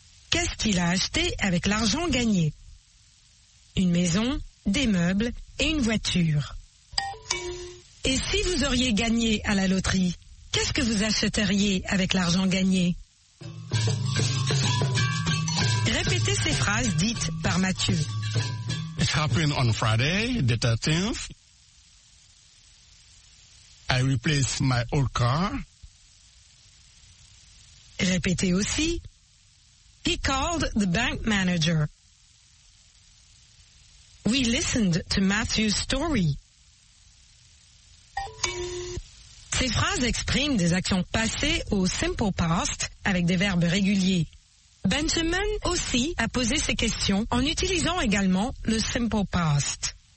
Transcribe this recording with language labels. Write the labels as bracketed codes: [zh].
[fr] Qu'est-ce qu'il a acheté avec l'argent gagné? Une maison, des meubles et une voiture. Et si vous auriez gagné à la loterie, qu'est-ce que vous achèteriez avec l'argent gagné? Répétez ces phrases dites par Mathieu. [en] It happened on Friday, the 13th. I replaced my old car. [fr] Répétez aussi. [en] He called the bank manager. We listened to Matthew's story. [fr] Ces phrases expriment des actions passées au simple past avec des verbes réguliers. Benjamin aussi a posé ses questions en utilisant également le simple past.